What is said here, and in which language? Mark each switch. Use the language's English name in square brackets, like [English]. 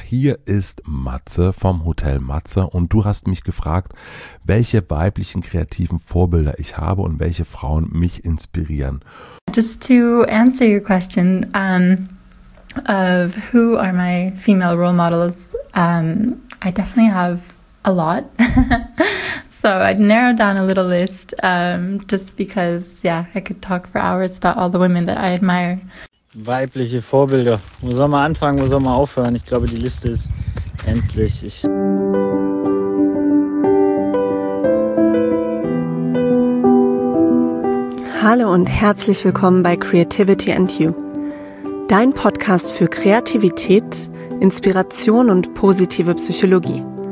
[German] Hier ist Matze vom Hotel Matze und du hast mich gefragt, welche weiblichen kreativen Vorbilder ich habe und welche Frauen mich inspirieren. [English] Just to answer your question of who are my female role models, I definitely have a lot. So I'd narrowed down a little list just because, yeah, I could talk for hours about all the women that I admire. [German] Weibliche Vorbilder. Wo soll man anfangen, wo soll man aufhören? Ich glaube, die Liste ist endlich. Hallo und herzlich willkommen bei Creativity and You. Dein Podcast für Kreativität, Inspiration und positive Psychologie.